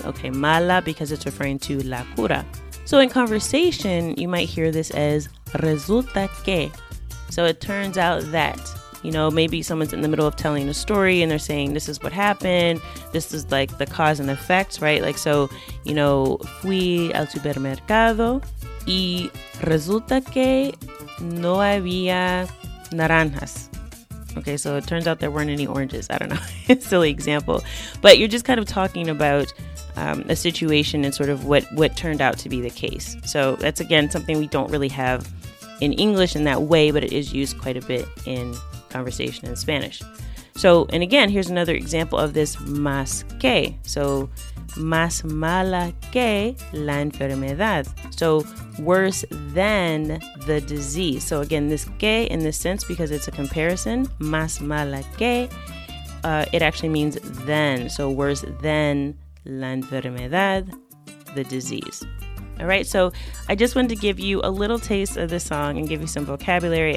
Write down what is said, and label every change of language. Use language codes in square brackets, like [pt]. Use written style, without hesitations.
[en] Okay, mala because it's referring to la cura. So in conversation, you might hear this as [es] resulta que. [en] So it turns out that. You know, maybe someone's in the middle of telling a story and they're saying, this is what happened. This is like the cause and effect, right? Like, so, you know, [es] fui al supermercado y resulta que no había naranjas. [en] Okay, so it turns out there weren't any oranges. I don't know. Silly example. But you're just kind of talking about a situation and sort of what turned out to be the case. So that's, again, something we don't really have in English in that way, but it is used quite a bit in conversation in Spanish. So, and again, here's another example of this más que. [es] So, más mala que la enfermedad. [en] So, worse than the disease. So, again, this que in this sense, because it's a comparison, [es] más mala que, [en] it actually means than. So, worse than [es] la enfermedad, [en] the disease. All right, so I just wanted to give you a little taste of this song and give you some vocabulary.